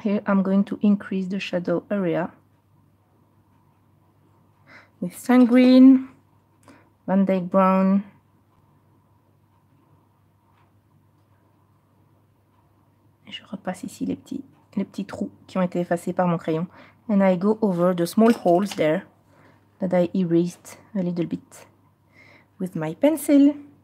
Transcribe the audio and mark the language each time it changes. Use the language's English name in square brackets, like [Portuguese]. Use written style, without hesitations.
[English] Here I'm going to increase the shadow area with sand green, Van Dyke brown. [French] Et je repasse ici les petits trous qui ont été effacés par mon crayon. [English] And I go over the small holes there that I erased a little bit with my pencil.